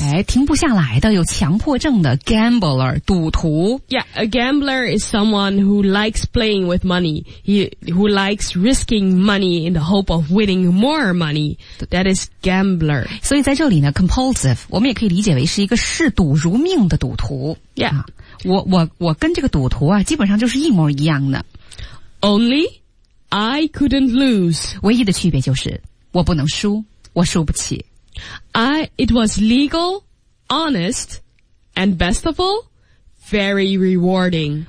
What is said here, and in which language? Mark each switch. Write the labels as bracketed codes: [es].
[zh] 哎，停不下来的有强迫症的 gambler 赌徒 [en] yeah a gambler is someone who likes playing with money who likes risking money in the hope of winning more money that is gambler [zh] 所以在这里呢 compulsive 我们也可以理解为是一个嗜赌如命的赌徒 [en] yeah、 [zh] 啊、我跟这个赌徒啊基本上就是一模一样的 [en] only I couldn't lose [zh] 唯一的区别就是我不能输我输不起 [en] It was legal, honest, and best of all, very rewarding.